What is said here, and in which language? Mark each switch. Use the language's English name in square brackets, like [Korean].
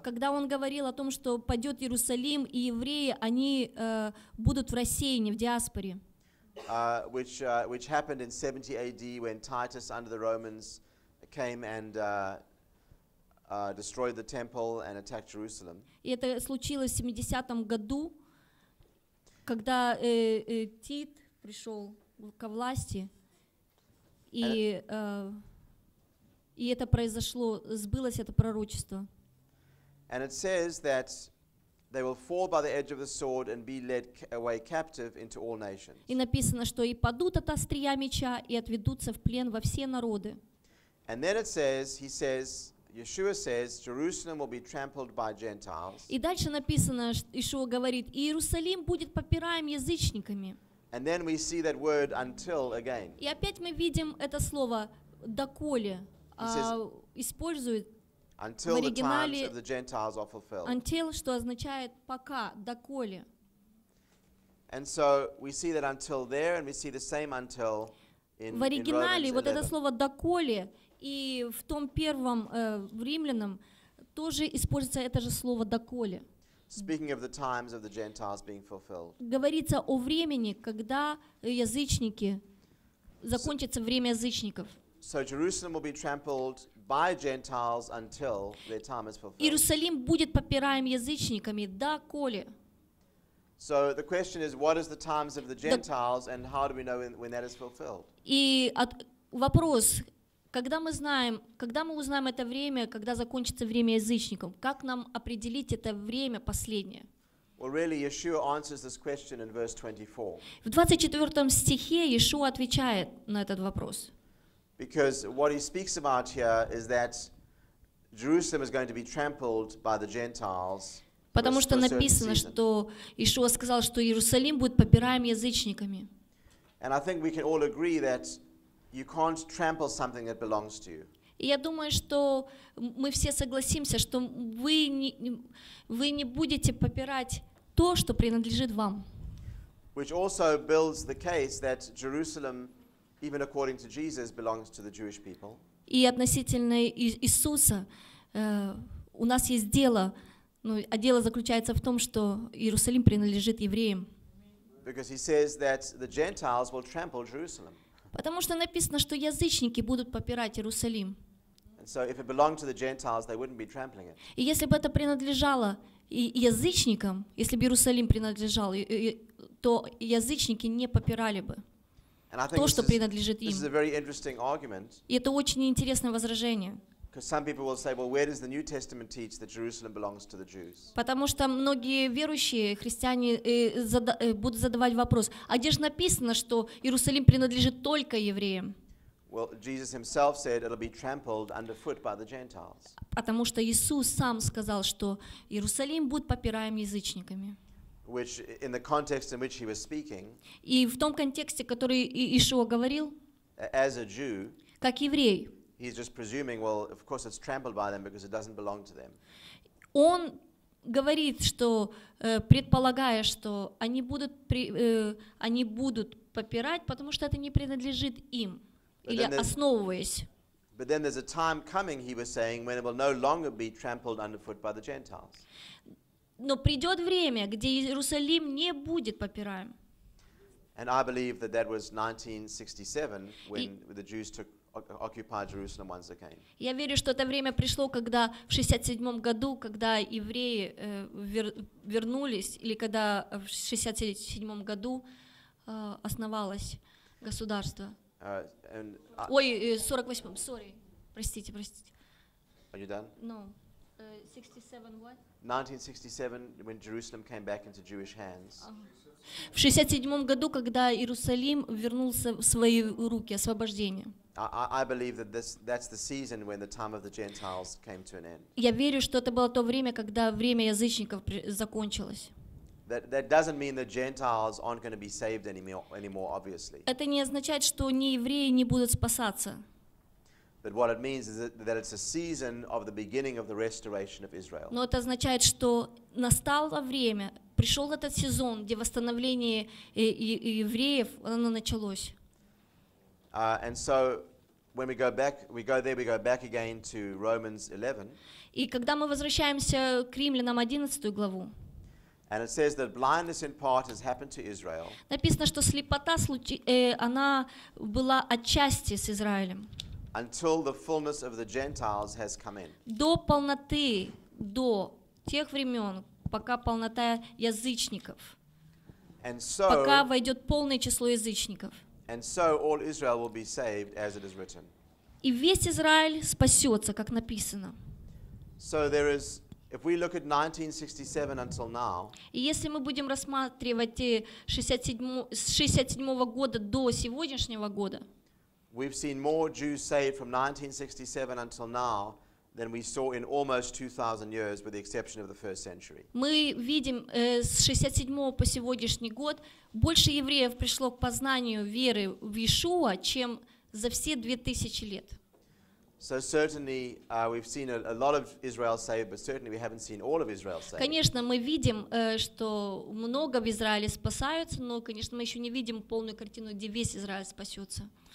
[Russian] Когда он говорил о том, что падет Иерусалим, и евреи, они будут в рассеянии, в диаспоре. [English] Which happened in 70 AD when Titus under the Romans came and destroyed the temple and attacked Jerusalem. [Russian] И это случилось в 70-м году, когда Тит пришел ко власти, и это произошло, сбылось это пророчество. [English] And it says that they will fall by the edge of the sword and be led away captive into all nations. [Russian] И написано, что и падут от острия меча, и отведутся в плен во все народы. [English] And then it says, he says, Yeshua says, Jerusalem will be trampled by Gentiles. [Russian] И дальше написано, Иешуа говорит, Иерусалим будет попираем язычниками. [English] And then we see that word until again. [Russian] И опять мы видим это слово доколе используют [English] until [Russian] в оригинале [English] the times of the Gentiles are fulfilled. [Russian] Until, что означает пока, доколе. [English] And so we see that until there, and we see the same until in [Russian] в оригинале [English] in [Russian] вот это слово доколе. И в том первом в Римлянам тоже используется это же слово «доколе». [English] Speaking of the times of the Gentiles being fulfilled. [Russian] Говорится о времени, когда язычники, закончится время язычников. [English] So Jerusalem will be trampled by Gentiles until their time is fulfilled. [Russian] Иерусалим будет попираем язычниками, доколе. [English] So the question is, what is the times of the Gentiles and how do we know when that is fulfilled? [Russian] И вопрос – когда мы узнаем это время, когда закончится время язычников, как нам определить это время последнее? [English] Well, really, Yeshua answers this question in verse 24. [Russian] В 24 стихе Иешуа отвечает на этот вопрос. [English] Because what he speaks about here is that Jerusalem is going to be trampled by the Gentiles. [Russian] Потому что написано, что Иешуа сказал, что Иерусалим будет попираем язычниками. [English] And I think we can all agree that you can't trample something that belongs to you. [Russian] Я думаю, что мы все согласимся, что вы не будете попирать то, что принадлежит вам. [English] Which also builds the case that Jerusalem, even according to Jesus, belongs to the Jewish people. [Russian] И относительно Иисуса, у нас есть дело, ну, а дело заключается в том, что Иерусалим принадлежит евреям. [English] Because he says that the Gentiles will trample Jerusalem. [Russian] Потому что написано, что язычники будут попирать Иерусалим. [English] And so if it belonged to the Gentiles, they wouldn't be trampling it. [Russian] И если бы это принадлежало язычникам, если бы Иерусалим принадлежал, то язычники не попирали бы то, что принадлежит им. [English] This is a very interesting argument. [Russian] И это очень интересное возражение. [English] Because some people will say, well, where does the New Testament teach that Jerusalem belongs to the Jews? [Russian] Потому что многие верующие христиане будут задавать вопрос: а где же написано, что Иерусалим принадлежит только евреям? [English] Well, Jesus himself said it'll be trampled underfoot by the Gentiles. [Russian] Потому что Иисус сам сказал, что Иерусалим будет попираем язычниками. [English] Which, in the context in which he was speaking, [Russian] и в том контексте, который Иешуа говорил, [English] as a Jew, [Russian] как еврей, [English] he's just presuming, well, of course it's trampled by them because it doesn't belong to them. [Russian] Он говорит, что предполагая, что они будут попирать, потому что это не принадлежит им, или основываясь. [English] But then there's a time coming, he was saying, when it will no longer be trampled underfoot by the Gentiles. [Russian] Но придет время, где Иерусалим не будет попираем. [English] And I believe that that was 1967 when the Jews took occupied Jerusalem once again. [Russian] Я верю, что это время пришло, когда в 67 году, когда евреи вернулись, или когда в 67 году основалось государство. Ой, 48, sorry. Простите. [English] Are you done? No. 67 what? 1967, when Jerusalem came back into Jewish hands. [Russian] В 67 году, когда Иерусалим вернулся в свои руки освобождения. [English] I believe that that's the season when the time of the Gentiles came to an end. [Russian] Я верю, что это было то время, когда время язычников закончилось. [English] That doesn't mean the Gentiles aren't going to be saved anymore, obviously. [Russian] Это не означает, что ни евреи не будут спасаться. [English] But what it means is that it's a season of the beginning of the restoration of Israel. [Russian] Но это означает, что настало время, пришел этот сезон, где восстановление евреев оно началось. [English] And so when we go back, we go back again to Romans 11. [Russian] И когда мы возвращаемся к Римлянам 11 главу. [English] And it says that blindness in part has happened to Israel. [Russian] Написано, что слепота она была отчасти с Израилем. [English] Until the fullness of the Gentiles has come in. [Russian] До полноты, до тех времен, пока полнота язычников. [English] And so [Russian] пока войдет полное число язычников. [English] And so all Israel will be saved as it is written. [Russian] И весь Израиль спасется, как написано. [English] So there is, if we look at 1967 until now. [Russian] И если мы будем рассматривать 67 года до сегодняшнего года. [English] We've seen more Jews saved from 1967 until now than we saw in almost 2,000 years, with the exception of the first century. [Russian] Мы видим с 67 по сегодняшний год больше евреев пришло к познанию веры в Иешуа, чем за все 2000 лет. [English] So certainly we've seen a lot of Israel saved, but certainly we haven't seen all of Israel saved. [Russian] Конечно, мы видим, что много в Израиле спасаются, но, конечно, мы еще не видим полную картину, где весь Израиль спасется.